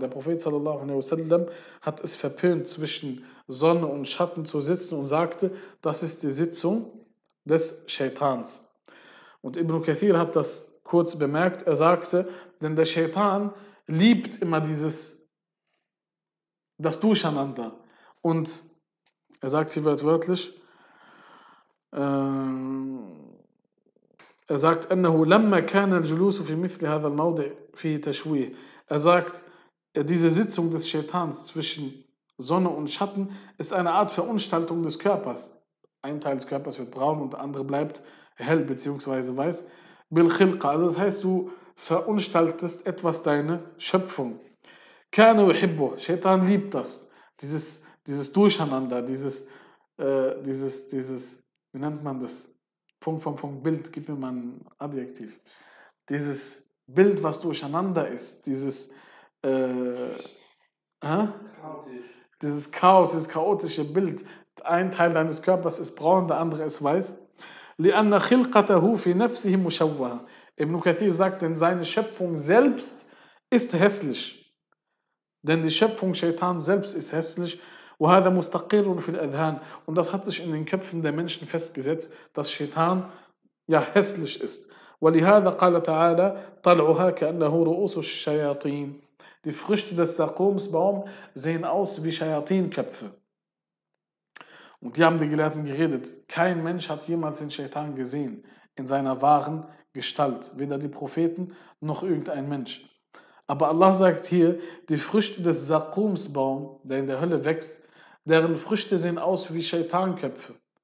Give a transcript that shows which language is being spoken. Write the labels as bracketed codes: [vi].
[de] Der Prophet sallallahu alayhi wa sallam hat es verpönt, zwischen Sonne und Schatten zu sitzen und sagte, das ist die Sitzung des Shaitans. Und Ibn Kathir hat das kurz bemerkt. Er sagte, denn der Shaitan liebt immer dieses, das Durcheinander und Er sagt hier wörtlich, er sagt, [ar] أنه لما كان الجلوس في مثل هذا الموضع فيه تشويه. [de] Er sagt, diese Sitzung des Shaitans zwischen Sonne und Schatten ist eine Art Verunstaltung des Körpers. Ein Teil des Körpers wird braun und der andere bleibt hell bzw. weiß. [ar] بالخلقة. [de] Das heißt, du verunstaltest etwas deine Schöpfung. [ar] كان يحبه. [de] Shaitan liebt das. Dieses Durcheinander, dieses, wie nennt man das? Punkt, Punkt, Punkt, Bild, gib mir mal ein Adjektiv. Dieses Bild, was durcheinander ist, dieses Chaos, dieses chaotische Bild. Ein Teil deines Körpers ist braun, der andere ist weiß. [ar] لأن خلقته في نفسه مشوهة. [de] Ibn Kathir sagt, denn seine Schöpfung selbst ist hässlich. Denn die Schöpfung Shaitan selbst ist hässlich. [ar] وهذا مستقر في الأذهان. [de] Und das hat sich in den Köpfen der Menschen festgesetzt, dass Shaitan ja hässlich ist. [ar] ولهذا قال تعالى طلعها كأنه رؤوس الشياطين. [de] Die Früchte des Sakumsbaums sehen aus wie Shayatin-Köpfe. Und die haben die Gelehrten geredet. Kein Mensch hat jemals den Shaitan gesehen in seiner wahren Gestalt. Weder die Propheten noch irgendein Mensch. Aber Allah sagt hier, die Früchte des Sakumsbaums, der in der Hölle wächst, deren Früchte sehen aus wie Shaitanköpfe.